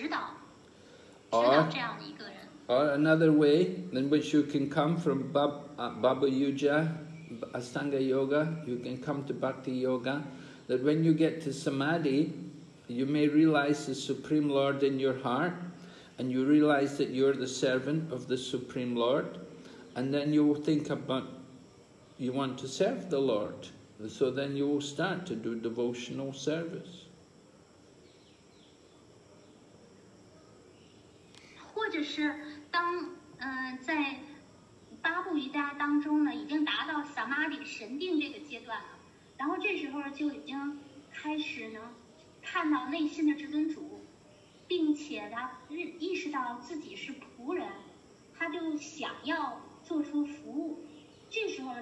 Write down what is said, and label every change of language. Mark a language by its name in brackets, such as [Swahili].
[Chinese] 至于从Babu Yuja如何走到凤爱瑜伽，方法是您需要得到奉献者的联谊，然后奉献者可以指导，指导这样的一个人。 [English] Or another way in which you can come from Babu Yuja, Astanga Yoga, you can come to Bhakti Yoga, that when you get to Samadhi, you may realize the Supreme Lord in your heart, and you realize that you're the servant of the Supreme Lord, and then you will think about, you want to serve the Lord. So then you will start to do devotional service. [Chinese] 看到内心的至尊主，并且他认意识到自己是仆人，他就想要做出服务。这时候。